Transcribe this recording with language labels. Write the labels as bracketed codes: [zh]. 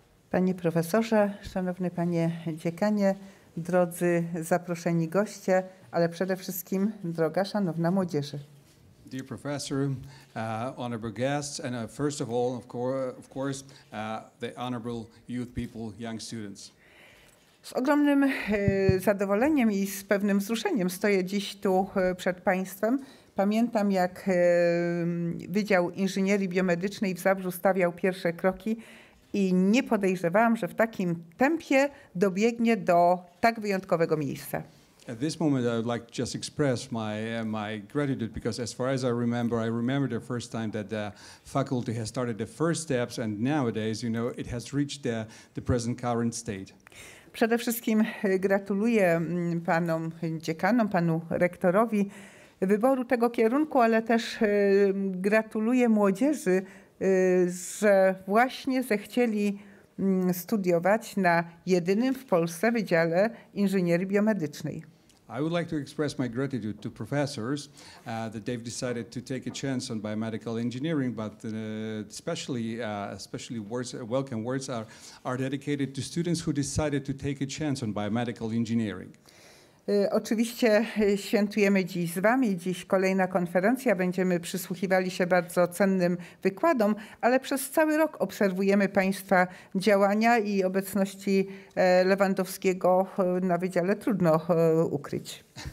[pl] Panie profesorze, szanowny panie dziekanie, drodzy zaproszeni goście, ale przede wszystkim droga szanowna młodzieży. [en] Dear professor, honorable guests, and first of all, of course, the honorable youth people, young students. [pl] Z ogromnym zadowoleniem i z pewnym wzruszeniem stoję dziś tu przed państwem. Pamiętam, jak Wydział Inżynierii Biomedycznej w Zabrzu stawiał pierwsze kroki. I nie podejrzewałam, że w takim tempie dobiegnie do tak wyjątkowego miejsca. [en] At this moment I would like to just express my gratitude because as far as I remember the first time that the faculty has started the first steps and nowadays, you know, it has reached the present current state. [pl] Przede wszystkim gratuluję panom dziekanom, panu rektorowi wyboru tego kierunku, ale też gratuluję młodzieży, że właśnie zechcieli studiować na jedynym w Polsce Wydziale Inżynierii Biomedycznej. [en] I would like to express my gratitude to professors that they've decided to take a chance on biomedical engineering, but especially words, welcome words are dedicated to students who decided to take a chance on biomedical engineering. [pl] Oczywiście świętujemy dziś z wami, dziś kolejna konferencja, będziemy przysłuchiwali się bardzo cennym wykładom, ale przez cały rok obserwujemy państwa działania i obecności Lewandowskiego na wydziale trudno ukryć.